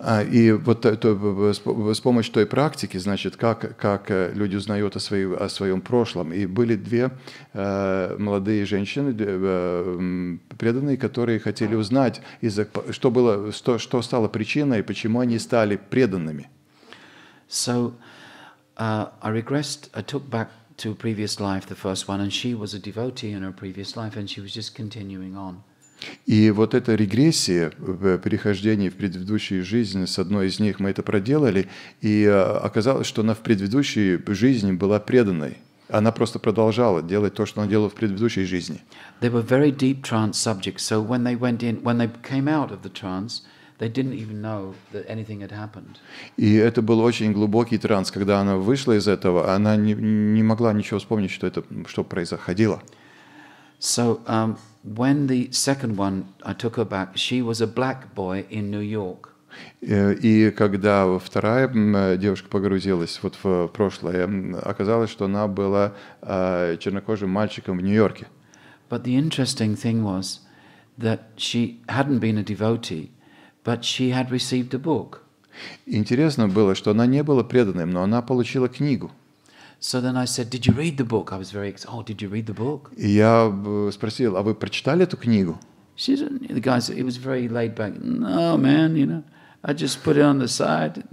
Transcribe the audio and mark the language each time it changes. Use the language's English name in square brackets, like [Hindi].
[Russian] И вот с помощью той практики, значит, как люди узнают о своем прошлом. И были две молодые женщины, преданные, которые хотели узнать, что стало причиной, почему они стали преданными. [English] So, I regressed, I took back to previous life, the first one, and she was a devotee in her previous life, and she was just continuing on. [Russian] И вот эта регрессия, перехождение в предыдущую жизнь, с одной из них мы это проделали, и оказалось, что она в предыдущей жизни была преданной. Она просто продолжала делать то, что она делала в предыдущей жизни. [English] They were very deep trance subjects, so when they went in, when they came out of the trance, they didn't even know that anything had happened. [Russian] И это был очень глубокий транс, когда она вышла из этого, она не могла ничего вспомнить, что происходило. [English] So, when the second one, I took her back, she was a black boy in New York. [Russian] И когда вторая девушка погрузилась вот в прошлое, оказалось, что она была чернокожим мальчиком в Нью-Йорке. [English] But the interesting thing was that she hadn't been a devotee, but she had received a book. [Russian] Интересно было, что она не была преданной, но она получила книгу. [English] So then I said, "Did you read the book?" I was very excited. Oh, did you read the book? [Russian] И я спросил: "А вы прочитали эту книгу?" [English] She said, the guy said, "It was very laid back. No, man, you know, I just put it on the side.